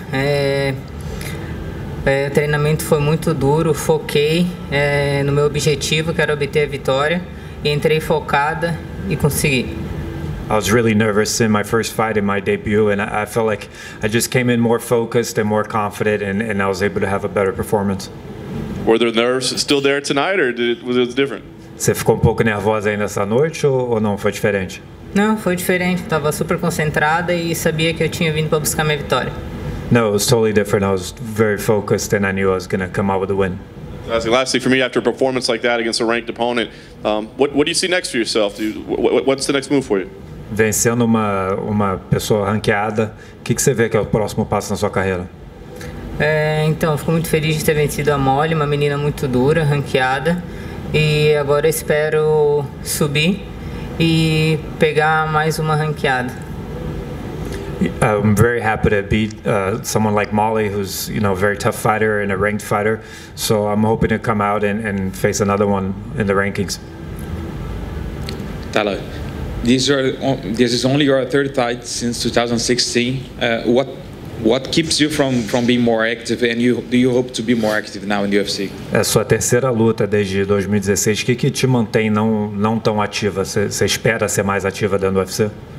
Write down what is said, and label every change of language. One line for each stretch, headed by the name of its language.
Portuguese: O treinamento foi muito duro, foquei no meu objetivo, que era obter a vitória. E entrei focada e consegui.
English: I was really nervous in my first fight, in my debut, and I felt like I just came in more focused and more confident, and I was able to have a better performance. Were the nerves still there tonight, or was it different?
Portuguese: Você ficou um pouco nervosa aí nessa noite ou não? Foi diferente? Não, foi diferente. Eu estava super concentrada e sabia que eu tinha vindo para buscar minha vitória.
English: No, it was totally different. I was very focused and I knew I was going to come out with a win. Lastly, for me, after a performance like that against a ranked opponent, what do you see next for yourself? What's the next move for you?
Portuguese: Vencendo uma pessoa ranqueada, o que que você vê que é o próximo passo na sua carreira? Então, fico muito feliz de ter vencido a Molly, uma menina muito dura, ranqueada. E agora espero subir e pegar mais uma ranqueada.
English: I'm very happy to beat someone like Molly, who's, you know, a very tough fighter and a ranked fighter. So I'm hoping to come out and face another one in the rankings. Tyler, this is only your third fight since 2016. What keeps you from being more active, and do you hope to be more active now in the UFC?
Portuguese: É a sua terceira luta desde 2016. O que que te mantém não tão ativa? Você espera ser mais ativa dentro do UFC?